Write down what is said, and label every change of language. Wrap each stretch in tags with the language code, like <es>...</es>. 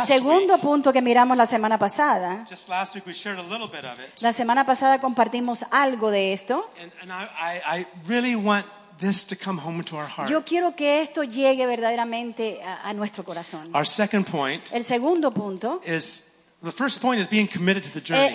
<es>El segundo punto que miramos la semana pasada.</es> <en>Just last week we shared a little bit of it.</en> <es>La semana pasada compartimos algo de esto.</es> <en>And I really want this to come home into our heart.</en> <es>Yo quiero que esto llegue verdaderamente a nuestro corazón.</es> <en>Our second point.</en> <es>El segundo punto.</es> <en>Is the first point is being committed to the journey.</en>